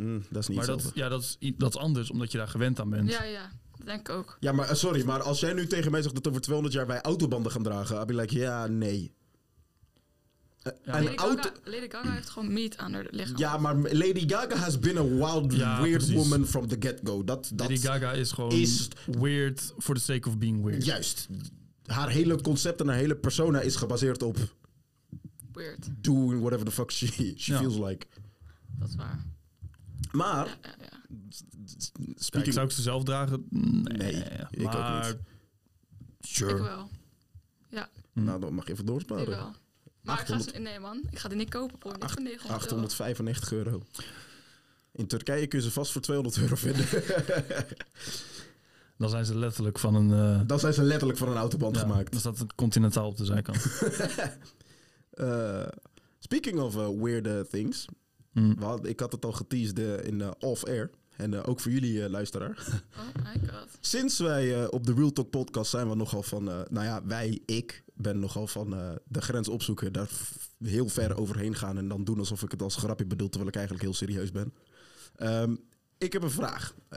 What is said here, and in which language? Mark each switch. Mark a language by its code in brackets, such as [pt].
[nl] Dat is niet hetzelfde. Ja, dat is anders, omdat je daar gewend aan bent. Ja, ja. Denk ik ook. Ja, maar sorry, maar als jij nu tegen mij zegt dat over 200 jaar wij autobanden gaan dragen, dan ben ik like, ja, nee. Ja, Lady Gaga heeft gewoon meat aan haar lichaam. [en] Ja, maar Lady Gaga has been a wild, weird woman from the get-go. [nl] Dat [en] Lady Gaga is gewoon weird for the sake of being weird. [nl] Juist. Haar hele concept en haar hele persona is gebaseerd op... [en] Weird. Doing whatever the fuck she feels like. [nl] Dat is waar. Maar... Zou ik ze zelf dragen? Nee, ik ook niet. Sure. Ik wel. Ja. Nou, dan mag je even doorsparen. Ik wel. Maar ik ga die niet kopen voor 895 euro. In Turkije kun je ze vast voor €200 vinden. Dan zijn ze letterlijk van een... Dan zijn ze letterlijk van een autoband gemaakt. Dan staat een Continental op de zijkant. [en] Speaking of weird things. Mm. [nl] Ik had het al geteased in off-air. En ook voor jullie luisteraar. [en] Oh my god. [nl] Sinds wij op de Real Talk podcast zijn we nogal van... ik ben nogal van de grens opzoeken. Daar heel ver overheen gaan. En dan doen alsof ik het als grapje bedoel. Terwijl ik eigenlijk heel serieus ben. Ik heb een vraag.